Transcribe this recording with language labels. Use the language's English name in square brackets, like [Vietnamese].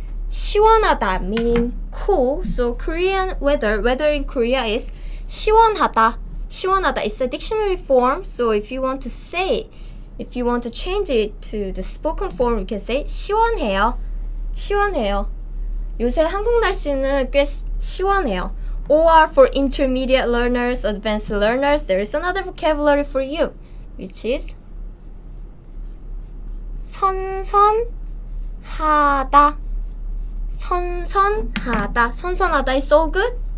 [English] 시원하다 meaning cool. So Korean weather in Korea is 시원하다. 시원하다. It's a dictionary form, so if you want to say, if you want to change it to the spoken form, you can say 시원해요. [Korean] 시원해요. 요새 한국 날씨는 꽤 시원해요. [English] Or for intermediate learners, advanced learners, there is another vocabulary for you, which is 선선하다. 선선하다. 선선하다 is so good.